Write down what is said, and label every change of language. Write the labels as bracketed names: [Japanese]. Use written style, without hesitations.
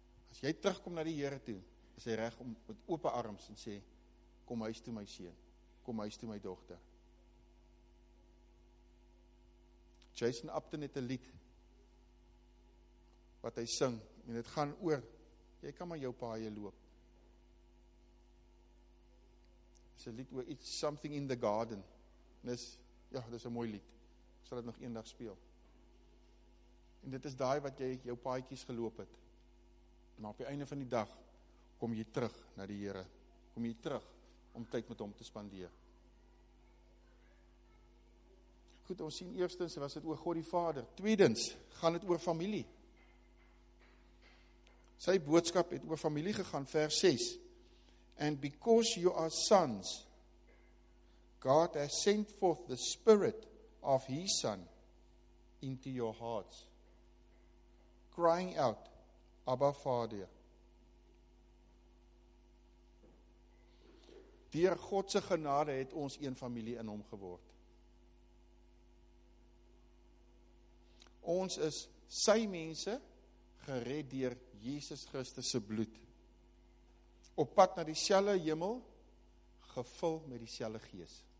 [Afrikaans] As jy terugkom na die Here toe, is hy reg om met oop arms en sê, kom huis toe my seun, kom huis toe my dogter. Jason Upton het 'n lied wat hy sing en dit gaan oor, jy kan maar jou paaie loop. Is een lied oor iets, Something in the Garden. Dis een mooi lied. Ek sal dit nog eendag speel. En dit is daai wat jy jou paadjies geloop het. Maar op die einde van die dag, kom jy terug na die Here. Kom jy terug om tyd met hom te spandeer. Goed, ons sien eerstens, was dit oor God die Vader. Tweedens, gaan dit oor familie. Sy boodskap het oor familie gegaan, vers 6. [English] And because you are sons, God has sent forth the spirit of his son into your hearts, crying out, Abba Vader. [Afrikaans] Deur Godse genade het ons een familie in hom geword. Ons is sy mense gered deur Jesus Christus se bloed. Op pad na dieselfde hemel, gevul met dieselfde gees.